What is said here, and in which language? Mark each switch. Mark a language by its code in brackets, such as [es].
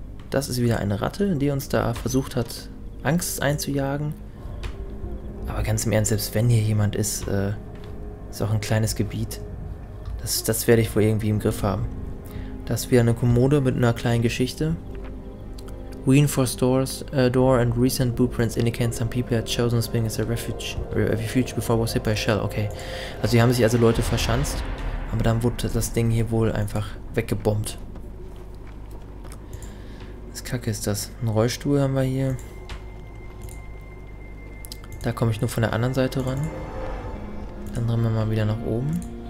[de] Das ist wieder eine Ratte, die uns da versucht hat, Angst einzujagen. Aber ganz im Ernst, selbst wenn hier jemand ist, ist auch ein kleines Gebiet. Das werde ich wohl irgendwie im Griff haben. Das ist wieder eine Kommode mit einer kleinen Geschichte. [en] Reinforced doors, a door and recent blueprints indicate some people had chosen Spring as a refuge before was hit by a shell. [de] Okay, also hier haben sich also Leute verschanzt, aber dann wurde das Ding hier wohl einfach weggebombt. Was kacke ist das? Ein Rollstuhl haben wir hier. Da komme ich nur von der anderen Seite ran. Dann rennen wir mal wieder nach oben.